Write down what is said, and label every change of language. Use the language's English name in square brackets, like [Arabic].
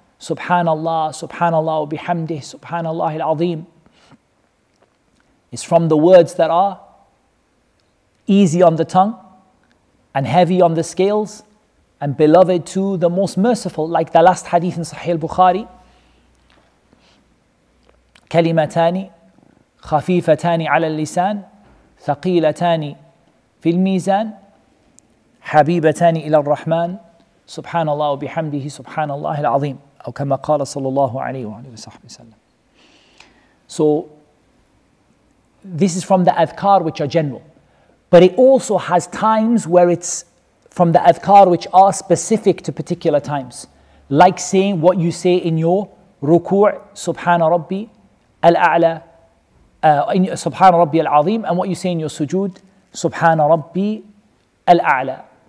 [Arabic] Subhanallah, subhanallah wa bihamdih, subhanallah al-azim. [English] It's from the words that are easy on the tongue and heavy on the scales and beloved to the most merciful, like the last hadith in Sahih al-Bukhari. [Arabic] كلمتان خفيفتان على اللسان ثقيلتان في الميزان حبيبتان إلى الرحمن سبحان الله وبحمده سبحان الله العظيم أو كما قال صلى الله عليه وسلم. [English] So this is from the adhkar, which are general. But it also has times where it's from the adhkar which are specific to particular times. Like saying what you say in your ruku', [Arabic] subhana rabbi al-a'la, subhana rabbi al-azim, [English] and what you say in your sujood, [Arabic] subhana rabbi al-a'la.